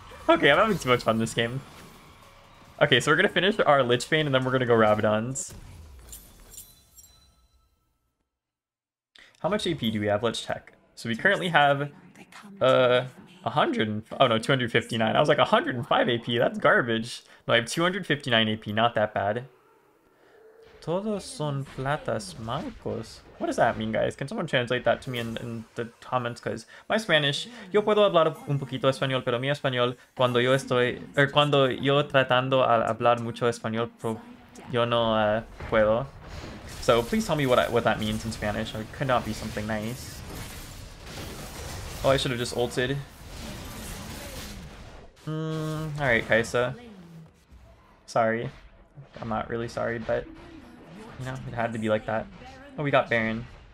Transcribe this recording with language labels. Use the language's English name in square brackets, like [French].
[English] Okay, I'm having too much fun this game. Okay, so we're gonna finish our Lich Bane and then we're gonna go Rabadons. How much AP do we have? Let's check. So we currently have 259. I was like, 105 AP? That's garbage. No, I have 259 AP. Not that bad. [Spanish] Todos son platas mancos. [English] What does that mean, guys? Can someone translate that to me in the comments? Because my Spanish... [Spanish] Yo puedo hablar un poquito español, pero mi español... Cuando yo estoy... cuando yo tratando a hablar mucho español... Yo no puedo. [English] So please tell me what that means in Spanish. It could not be something nice. Oh, I should have just ulted. Alright, Kai'Sa. Sorry. I'm not really sorry, but... You know, it had to be like that. Oh, we got Baron.